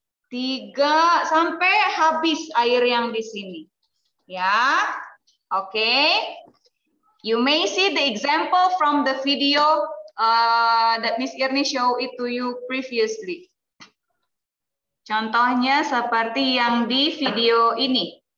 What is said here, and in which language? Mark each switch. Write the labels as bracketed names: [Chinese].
[Indonesian] Tiga, sampai habis air yang di sini. Ya, oke. Okay. [English] You may see the example from the video that Miss Irni show it to you previously. [Indonesian] Contohnya seperti yang di video ini.